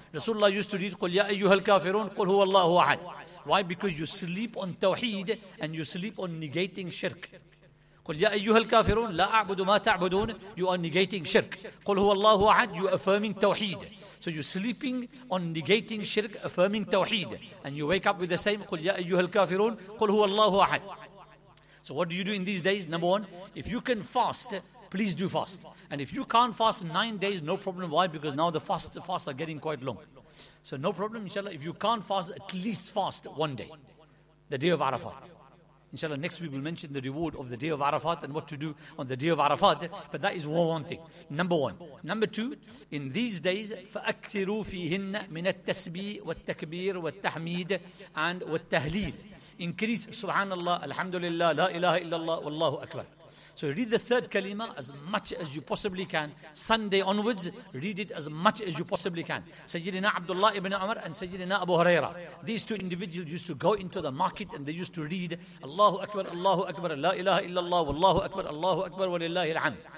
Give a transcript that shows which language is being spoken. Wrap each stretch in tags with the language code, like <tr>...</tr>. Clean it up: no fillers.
<en>Rasulullah used to read,</en> <ar>قُلْ يَا أَيُّهَا الْكَافِرُونَ قُلْ هُوَ اللَّهُ أَحَدٌ.</ar> <en>Why? Because you sleep on tawheed and you sleep on negating shirk.</en> <ar>قُلْ يَا أَيُّهَا الْكَافِرُونَ لَا أَعْبُدُ مَا تَعْبُدُونَ.</ar> <en>You are negating shirk.</en> <ar>قُلْ هُوَ اللَّهُ أَحَدٌ.</ar> <en>You are affirming tawheed. So you're sleeping on negating shirk, affirming tawheed. And you wake up with the same,</en> <ar>قُلْ يَا أَيُّهَا الْكَافِرُونَ قُلْ هُوَ اللَّهُ أَحَدٌ.</ar> <en>So what do you do in these days? Number one, if you can fast, please do fast. And if you can't fast 9 days, no problem. Why? Because now the fasts are getting quite long. So no problem, inshallah. If you can't fast, at least fast one day, the day of Arafat. Inshallah, next week we'll mention the reward of the day of Arafat and what to do on the day of Arafat. But that is one thing. Number one. Number two, in these days,</en> <ar>فَأَكْثِرُوا فِيهِنَّ مِنَ التَّسْبِيحِ وَالتَّكْبِيرِ وَالتَّحْمِيدِ and وَالتَّهْلِيلِ.</ar> <en>Increase Subhanallah, Alhamdulillah, La ilaha illallah, Wallahu Akbar. So read the third kalima as much as you possibly can. Sunday onwards, read it as much as you possibly can. Sayyidina Abdullah ibn Umar and Sayyidina Abu Huraira. These two individuals used to go into the market and they used to read Allahu Akbar, Allahu Akbar, La ilaha illallah, Wallahu Akbar, Allahu Akbar, Walillahi alhamd.</en>